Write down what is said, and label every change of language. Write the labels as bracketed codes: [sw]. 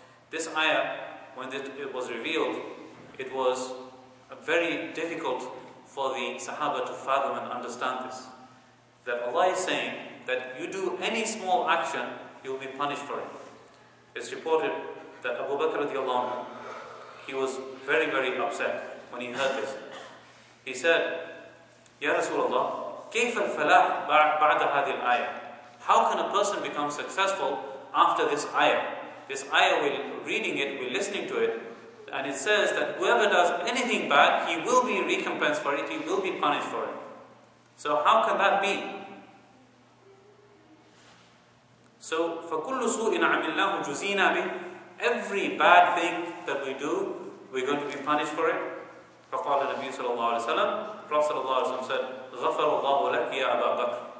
[en] This ayah, when it was revealed, it was very difficult for the Sahaba to fathom and understand this. That Allah is saying that you do any small action, you'll be punished for it. It's reported that Abu Bakr radiallahu anhu, he was very, very upset when he heard this. He said, [ar] Ya Rasulullah, كيف الفلاح بعد هذه الآية? [en] How can a person become successful after this ayah? This ayah, we're reading it, we're listening to it, and it says that whoever does anything bad, he will be recompensed for it, he will be punished for it. So how can that be? [ar] So, فَكُلُّ سُوءٍ عَمِلْنَاهُ جُزِيْنَا بِهِ. [en] Every bad thing that we do, we're going to be punished for it. [ar] فَقَالَ النَّبِيُّ صَلَى اللَّهُ عَلَيْهِ وَسَلَّمَ. [en] Prophet [ar] صلى الله عليه وسلم [en] said, [ar] غَفَرَ اللَّهُ لَكِ يَا أَبَا بَكْرٍ.